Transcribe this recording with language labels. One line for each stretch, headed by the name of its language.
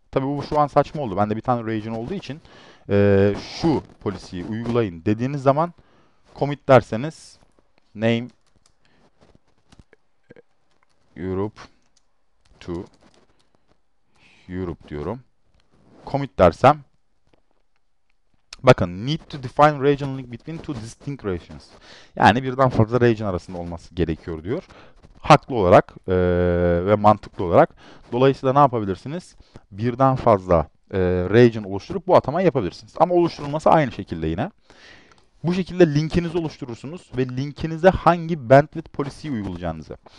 Turkish: Tabii bu şu an saçma oldu. Ben de bir tane region olduğu için şu polisiyi uygulayın dediğiniz zaman commit derseniz name Europe to Europe diyorum. Commit dersem bakın
English: need to define region link between two distinct regions.
Turkish: Yani birden fazla region arasında olması gerekiyor diyor. Haklı olarak ve mantıklı olarak. Dolayısıyla ne yapabilirsiniz? Birden fazla region oluşturup bu atamayı yapabilirsiniz. Ama oluşturulması aynı şekilde yine. Bu şekilde linkinizi oluşturursunuz ve linkinize hangi bandwidth policy'yi uygulayacağınızı.